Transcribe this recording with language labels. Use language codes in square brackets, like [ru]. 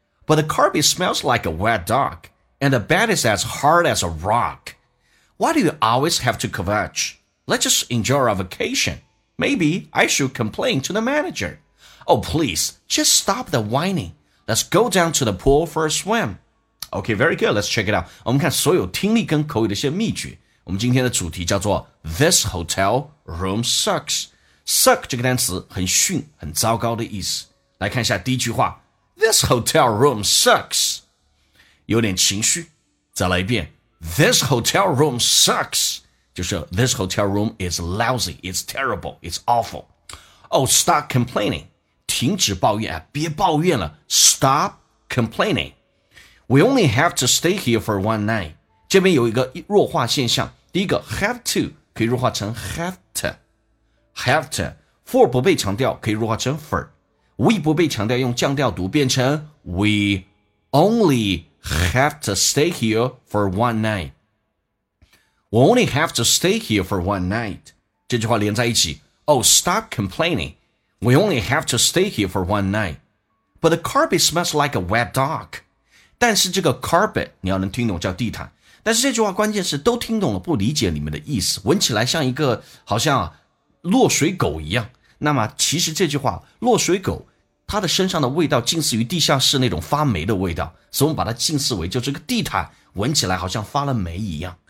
[en] But the carpet smells like a wet dog, and the bed is as hard as a rock. Why do you always have to kvetch? Let's just enjoy our vacation. Maybe I should complain to the manager. Oh, please, just stop the whining. Let's go down to the pool for a swim. Okay, very good. Let's check it out. [zh] 我们看所有听力跟口语的一些秘诀。我们今天的主题叫做 [en] This hotel room sucks. [zh] Suck 这个单词很逊，很糟糕的意思。来看一下第一句话。 [en] This hotel room sucks. [zh] 有点情绪。再来一遍。 [en] This hotel room sucks. [zh] 就是 [en] This hotel room is lousy. It's terrible. It's awful. Oh, stop complaining. [zh] 停止抱怨，别抱怨了。 [en] Stop complaining. We only have to stay here for one night. [zh] 这边有一个弱化现象。第一个 have to 可以弱化成 have to, have to. [en] For [zh] 不被强调可以弱化成 [en] for. We [zh] 不被强调用降调读变成 [en] We only have to stay here for one night. We only have to stay here for one night. [zh] 这句话连在一起。 [en] Oh, stop complaining. We only have to stay here for one night. But the carpet smells like a wet dog. [zh] 但是这个 carpet, 你要能听懂叫地毯。但是这句话关键是都听懂了不理解里面的意思。闻起来像一个好像落水狗一样。那么其实这句话落水狗它的身上的味道近似于地下室那种发霉的味道。所以我们把它近似为就这个地毯闻起来好像发了霉一样。